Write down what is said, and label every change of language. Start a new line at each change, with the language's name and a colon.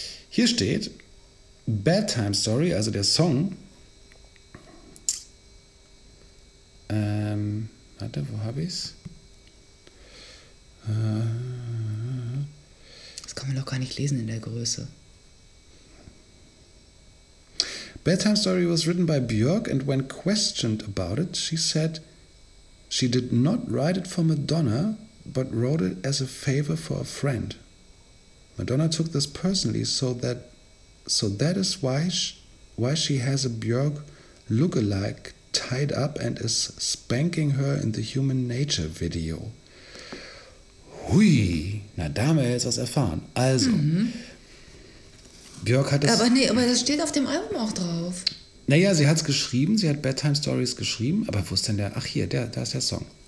German: Hier steht, Bedtime Story, also der Song. Warte, wo habe ich's? Das kann man doch gar nicht lesen in der Größe.
English: Bedtime Story was written by Björk and when questioned about it, she said, she did not write it for Madonna, but wrote it as a favor for a friend. Madonna took this personally, so that is why she has a Björk lookalike tied up and is spanking her in the Human Nature video.
German: Hui, na, da haben wir jetzt was erfahren. Also, Björk hat das... Aber das steht auf dem Album auch drauf. Naja, sie hat es geschrieben, sie hat Bedtime Stories geschrieben, aber wo ist denn der? Ach, hier, da ist der Song.